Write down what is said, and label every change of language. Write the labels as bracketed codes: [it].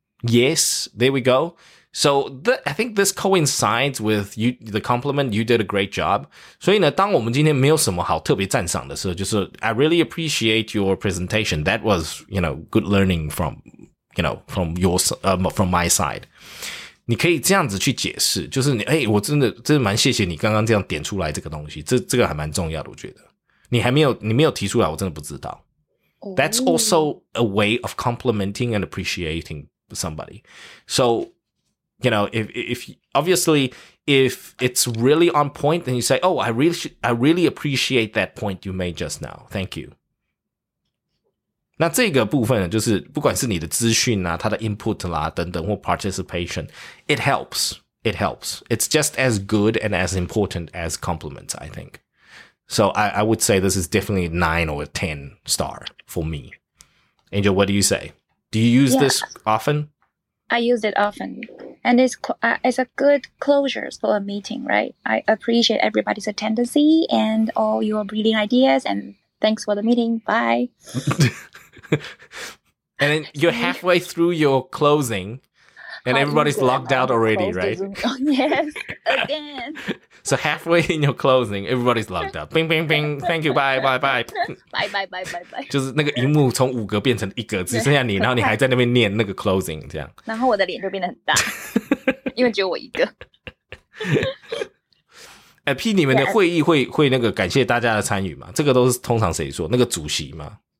[en] Yes, there we go. So I think this coincides with you, the compliment, you did a great job. [zh] 所以呢当我们今天没有什么好特别赞赏的时候就是 [en] I really appreciate your presentation. That was, you know, good learning from, you know, from your,from my side. [zh] 你可以这样子去解释就是你诶我真的蛮谢谢你刚刚这样点出来这个东西这个还蛮重要的我觉得。你没有提出来我真的不知道。 [en] That's also a way of complimenting and appreciating somebody. So,You know, if obviously, if it's really on point, then you say, oh, I really appreciate that point you made just now. Thank you. [zh] 那这个部分就是不管是你的资讯啊，他的 input 啦等等或 participation, [en] it helps. It helps. It's just as good and as important as compliments, I think. So I would say this is definitely 9 or 10 star for me. Angel, what do you say? Do you use this often? I use it often. And it's a good closure for a meeting, right? I appreciate everybody's attendance and all your brilliant ideas. And thanks for the meeting. Bye. And then you're halfway through your closing and everybody's logged out already, right? Yes, again. So halfway in your closing, everybody's logged out. Bing, bing, bing. Thank you. Bye, bye, bye. Bye, bye, bye, bye, bye. [zh] 就是那个萤幕从五格变成一格，只剩下你，然后你还在那边念那个 closing 这样。然后我的脸就变得很大，因为只有我一个。哎，P， 你们的会议会那个感谢大家的参与吗？这个都是通常谁说？那个主席吗？